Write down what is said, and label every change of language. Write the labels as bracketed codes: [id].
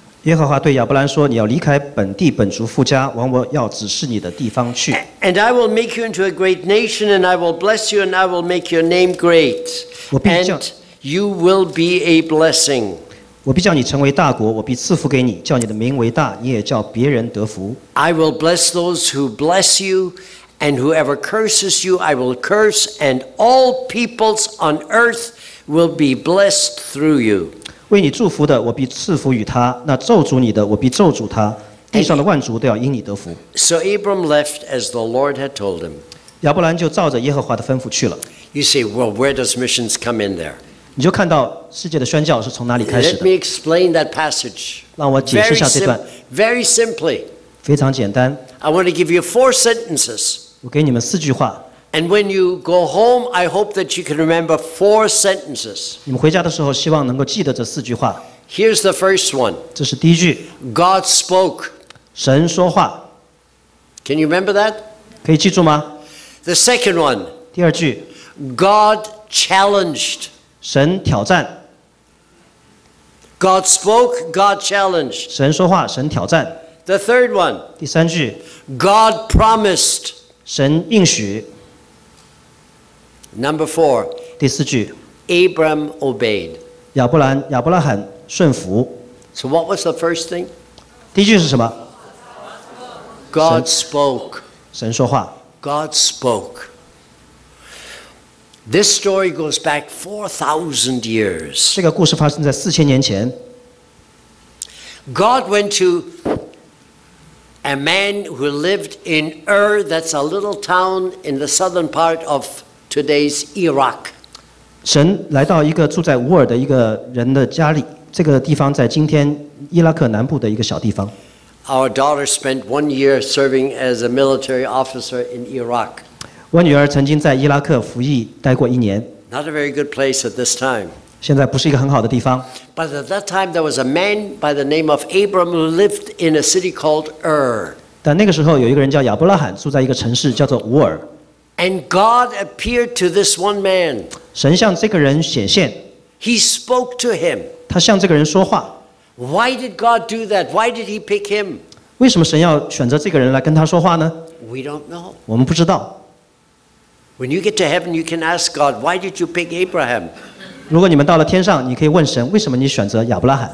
[zh] 耶和华对亚伯兰说，你要离开本地本族父家，往我要指示你的地方去。 [en] And I will make you into a great nation, and I will bless you, and I will make your name great. And you will be a blessing. [zh] 我必叫你成为大国，我必赐福给你，叫你的名为大，你也叫别人得福。 [en] I will bless those who bless you,And whoever curses you, I will curse, and all peoples on earth will be blessed through you. [zh] 为你祝福的，我必赐福与他；那咒诅你的，我必咒诅他。地上的万族都要因你得福。 [en] So Abram left as the Lord had told him. [zh] 亚伯兰就照着耶和华的吩咐去了。 [en] You say, well, where does missions come in there? [zh] 你就看到世界的宣教是从哪里开始的。 [en] Let me explain that passage. [zh] 让我解释一下这段。 [en] Very simply. [zh] 非常简单。 [en] I want to give you four sentences. [zh] 我给你们四句话。 [en] And when you go home, I hope that you can remember four sentences. [zh] 你们回家的时候，希望能够记得这四句话。 [en] Here's the first one. [zh] 这是第一句。 [en] God spoke. [zh] 神说话。 [en] Can you remember that? [zh] 可以记住吗？ [en] The second one. [zh] 第二句。 [en] God challenged. [zh] 神挑战。 [en] God spoke. God challenged. [zh] 神说话，神挑战。 [en] The third one. [zh] 第三句。 [en] God promised. [zh] 神应许。 [en] Number four. [zh] 第四句。 [en] Abram obeyed. [zh] 亚伯拉罕顺服。 [en] So what was the first thing? [zh] 第一句是什么？ [en] God spoke. [zh] 神说话。 [en] God spoke. This story goes back 4,000 years. [zh] 这个故事发生在四千年前。 [en] God went to a man who lived in Ur, that's a little town in the southern part of today's Iraq. [zh] 神来到一个住在乌尔的一个人的家里，这个地方在今天伊拉克南部的一个小地方。 [en] Our daughter spent 1 year serving as a military officer in Iraq. [zh] 我女儿曾经在伊拉克服役待过一年。 [en] Not a very good place at this time. [zh] 现在不是一个很好的地方。 [en] But at that time, there was a man by the name of Abram who lived in a city called Ur. [zh] 但那个时候有一个人叫亚伯拉罕，住在一个城市叫做乌尔。 [en] And God appeared to this one man. [zh] 神向这个人显现。 [en] He spoke to him. [zh] 他向这个人说话。 [en] Why did God do that? Why did He pick him? [zh] 为什么神要选择这个人来跟他说话呢？ [en] We don't know. [zh] 我们不知道。 [en] When you get to heaven, you can ask God, why did you pick Abraham? [zh] 如果你们到了天上，你可以问神，为什么你选择亚伯拉罕？